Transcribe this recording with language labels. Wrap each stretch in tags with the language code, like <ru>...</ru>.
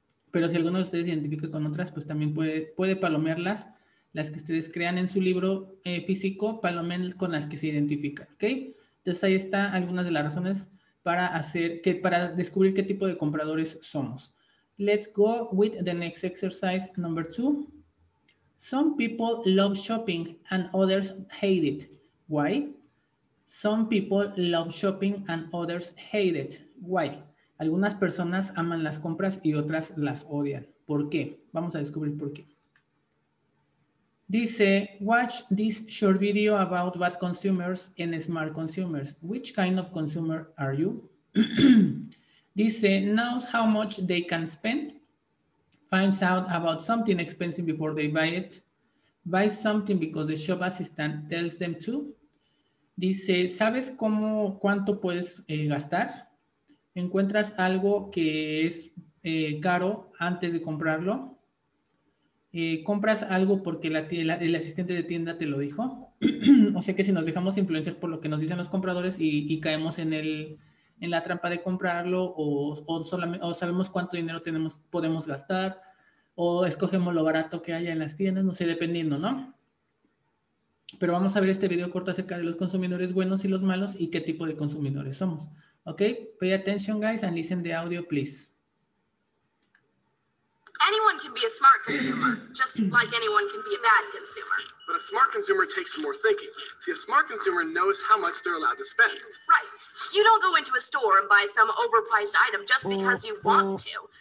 <es>Pero si alguno de ustedes se identifica con otras, pues también puede palomearlas. Las que ustedes crean en su libro físico, palomen con las que se identifican, ¿ok? Entonces ahí están algunas de las razones para descubrir qué tipo de compradores somos.</es> <en>Let's go with the next exercise, number 2. Some people love shopping and others hate it. Why? Some people love shopping and others hate it. Why?</en> <es>Algunas personas aman las compras y otras las odian. ¿Por qué? Vamos a descubrir por qué. Dice,</es> <en>watch this short video about bad consumers and smart consumers. Which kind of consumer are you?</en> <es>Dice,</es> <en>knows how much they can spend. Finds out about something expensive before they buy it. Buys something because the shop assistant tells them to.</en> <es>Dice, ¿sabes cuánto puedes gastar? ¿Encuentras algo que es caro antes de comprarlo? ¿Compras algo porque el asistente de tienda te lo dijo? O sea que si nos dejamos influenciar por lo que nos dicen los compradores y caemos en la trampa de comprarlo o sabemos cuánto dinero podemos gastar o escogemos lo barato que haya en las tiendas, no sé, dependiendo, ¿no? Pero vamos a ver este video corto acerca de los consumidores buenos y los malos y qué tipo de consumidores somos. ¿Ok?</es> <en>Pay attention, guys, and listen the audio, please. Anyone can be a smart consumer, just like anyone can be a bad consumer. But a smart consumer takes some more thinking. See, a smart consumer knows how much they're allowed to spend. Right. You don't go into a store and buy some overpriced item just because you want to.</en>